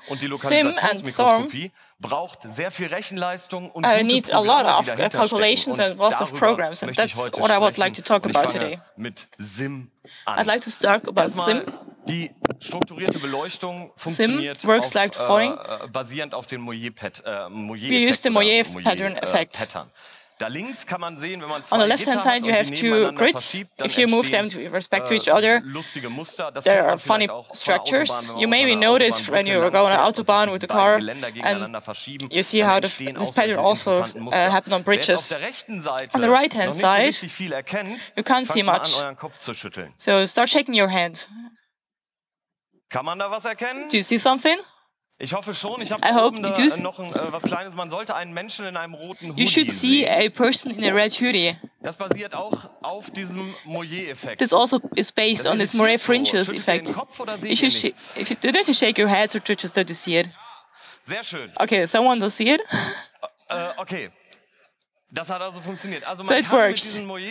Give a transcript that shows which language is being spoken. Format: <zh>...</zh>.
<de>Und die Lokalisationsmikroskopie braucht sehr viel Rechenleistung und gute Programme, die dahinter</de> <en>calculations</en> <de>stecken.</de> <en>And lots of programs, and that's what I would like to talk about today.</en> <de>Mit SIM an.</de> <en>I'd like to start about SIM.</en> <de>Die strukturierte Beleuchtung funktioniert</de> <en>SIM works like following.</en> <de>Basierend auf den Moyer-Pattern.</de> <en>We use the Moyer-Pattern effect.</en> <de>Da links kann man sehen, wenn man</de> <en>on the left-hand side, you have two grids. If you move them to respect to each other, there are funny structures. You maybe notice when you go on an autobahn with the car, and you see how this pattern also happened on bridges. On the right-hand side, you can't see much. So start shaking your hand.</en> <de>Kann man da was erkennen?</de> <en>Do you see something?</en> <de>Ich hoffe schon, ich habe oben noch was Kleines. Man sollte einen Menschen in einem roten Hoodie sehen.</de> <en>You should see a person in a red hoodie.</en> <de>Das basiert auch auf diesem Moyer-Effekt.</de> <en>This also is based on this Moyer fringes effect. If you don't shake your head, or just don't you see it?</en> <de>Sehr schön.</de> <en>Okay, someone does see it.</en> <de>Okay. Das hat also funktioniert. Also</de> <en>so it works.</en>